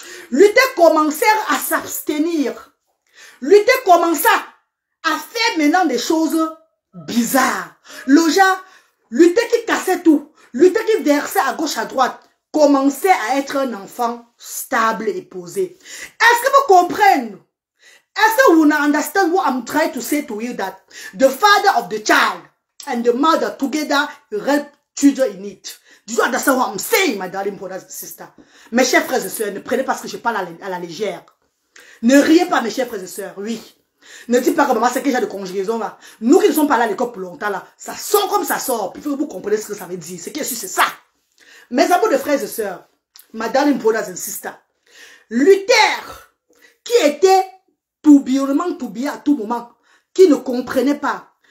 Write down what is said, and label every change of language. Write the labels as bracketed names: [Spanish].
[French] Luther commencèrent à s'abstenir. Luther commença à faire maintenant des choses bizarres. Le genre, Luther qui cassait tout, Luther qui versait à gauche à droite, commencer à être un enfant stable et posé. Est-ce que vous comprenez? Est-ce que vous [English] understand what I'm trying to say to you that the father of the child and the mother together help children in it? Do you understand what I'm saying, my darling brothers and sisters? [French] Mes chers frères et sœurs, ne prenez pas ce que je parle à la légère. Ne riez pas, mes chers frères et sœurs, oui. Ne dites pas que maman, c'est que j'ai de conjugaison là. Nous qui ne sommes pas là à l'école pour longtemps là, ça sort comme ça sort. Il faut que vous compreniez ce que ça veut dire. Ce qui est sûr, c'est ça. Mes amis de frères et sœurs, madame et [English] brothers and sisters, [French] Luther, qui était tourbillonnement tourbillé à tout moment, qui ne comprenait pas.